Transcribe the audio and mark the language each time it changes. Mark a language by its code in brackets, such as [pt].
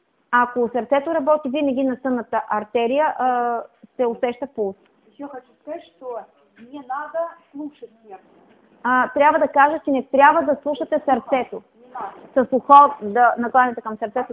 [bg] Ако сърцето работи, винаги на сънната артерия се усеща пулс. [ru] Еще хочу сказать, что не надо слушать сердце. [bg] Трябва да кажа, че не трябва да слушате сърцето. С ухо да накланяте към сърцето.